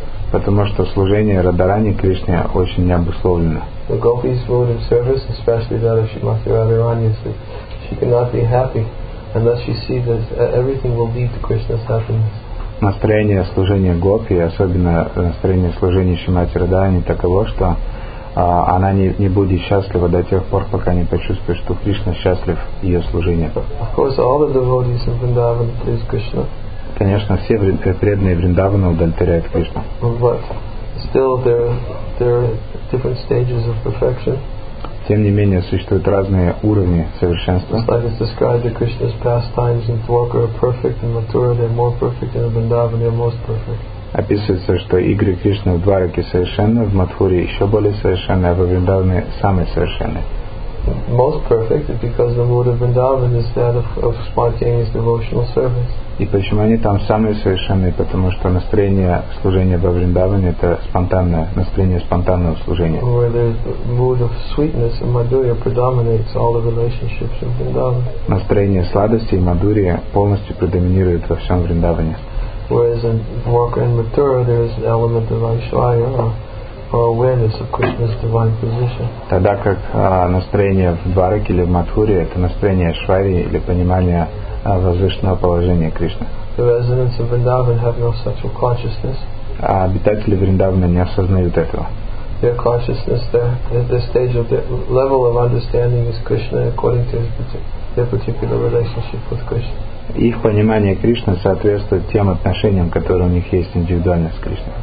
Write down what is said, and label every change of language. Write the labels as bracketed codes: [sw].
[ru] Потому что служение Радхарани Кришне очень необусловлено. [en] The gopis' mood of service, especially that of Shrimati Radharani, is that she cannot be happy unless she sees that everything will lead to Krishna's happiness. [ru] Настроение служения гопи, особенно настроение служения Шримати Радхарани, таково, что она не будет счастлива до тех пор, пока не почувствует, что Кришна счастлив ее служением. [en] Of course, all the devotees in Vrindavan please Krishna. [ru] Конечно, все преданные Вриндавана удовлетворяют Кришну. [en] But still there are different stages of perfection. [ru] Тем не менее, существуют разные уровни совершенства. [en] Like it's described in Krishna's pastimes in Dwarka are perfect in Mathura, they're more perfect in Vrindavan, they're most perfect. [ru] Описывается, что игры Кришны в Двараке совершенны, в Матхуре еще более совершенны, а в Вриндаване самые совершенные. [en] Most perfect is because the mood of Vrindavan is that of spontaneous devotional service. [ru] И почему они там самые совершенные? Потому что настроение служения во Вриндаване это спонтанное, настроение спонтанного служения. [en] Where the mood of sweetness and madhurya predominates all the relationships in Vrindavan. [ru] Настроение сладости и мадурия полностью предоминирует во всем Вриндаване. [en] Whereas in Dwarka and Mathura there is an element of Aishwarya or awareness of Krishna's divine position. [ru] Тогда как настроение в Двараке или в Матхуре это настроение Айшварьи или понимание возвышенного положения Кришны. [en] The residents of Vrindavan have no sexual consciousness. [ru] А обитатели Вриндавана не осознают этого. [en] Their consciousness, their stage of their level of understanding is Krishna according to their particular relationship with Krishna. [ru] Их понимание Кришны соответствует тем отношениям, которые у них есть индивидуально с Кришной.